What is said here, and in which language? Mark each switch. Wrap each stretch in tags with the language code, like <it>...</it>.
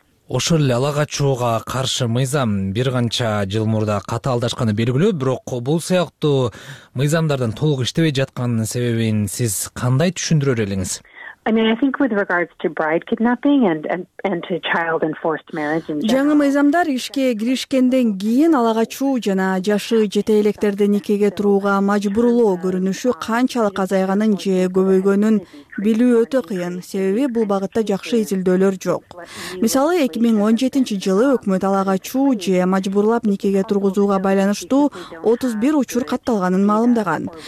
<ky>Ошол эле ала качууга каршы мыйзам бир канча жыл мурда катаалдашканы белгилүү, бирок бул сыяктуу мыйзамдардын толук иштебей жатканын себебин сиз кандай түшүндүрөр элеңиз?</ky> <en>I mean, I think with regards to bride kidnapping and to child enforced marriage.</en> <ky>Жаңы мыйзамдар ишке киришкенден кийин ала качуу жана жашы жете электерди никеге турууга мажбурлоо көрүнүшү канчалык азайганын же көбөйгөнүн билүү өтө кыйын. Себеби бул багытта жакшы изилдөөлөр жок. Мисалы, 2017 жылы өкмөт ала качуу же мажбурлап никеге тургузууга байланыштуу 31 учур катталганын маалымдаган.</ky>